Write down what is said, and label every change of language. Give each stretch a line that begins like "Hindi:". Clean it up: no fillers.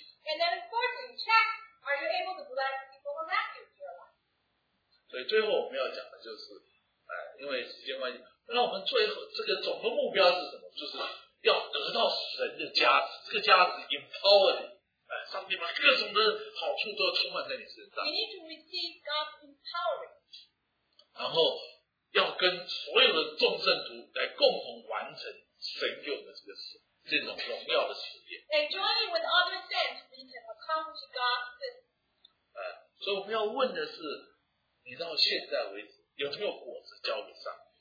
English: And then fourthly, check, are you able to bless people around you in your life?
Chinese: 所以最后我们要讲的就是，因为时间关系。那我们最后这个总的目标是什么？就是要得到神的加持，这个加持 empowering，上帝把各种的好处都充满在你身上。
English: You need to receive God's empowering.
Chinese: 然后要跟所有的众圣徒来共同完成神给我们这个荣耀的使命。
English: And joining with other saints, we can accomplish God's purpose.
Chinese: 所以我们要问的是，你到现在为止有没有果子交给上帝？